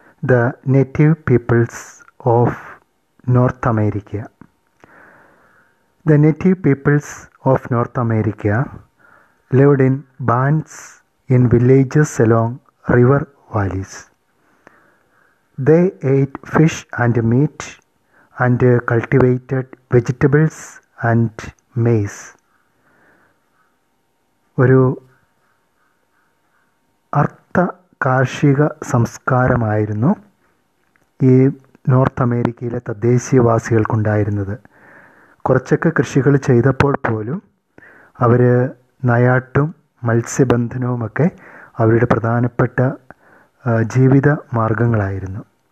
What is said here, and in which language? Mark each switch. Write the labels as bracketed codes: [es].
[en] The native peoples of North America. The native peoples of North America lived in bands in villages along river valleys. They ate fish and meat and cultivated vegetables and maize. [ml] ഒരു അർത്ഥ കാർഷിക സംസ്കാരമായിരുന്നു ഈ north അമേരിക്കയിലെ തദ്ദേശീയവാസികൾക്കുണ്ടായിരുന്നത്. കുറച്ചൊക്കെ കൃഷികൾ ചെയ്തപ്പോൾ പോലും അവർ നായാട്ടും മത്സ്യബന്ധനവുമൊക്കെ അവരുടെ പ്രധാനപ്പെട്ട ജീവിത മാർഗങ്ങളായിരുന്നു.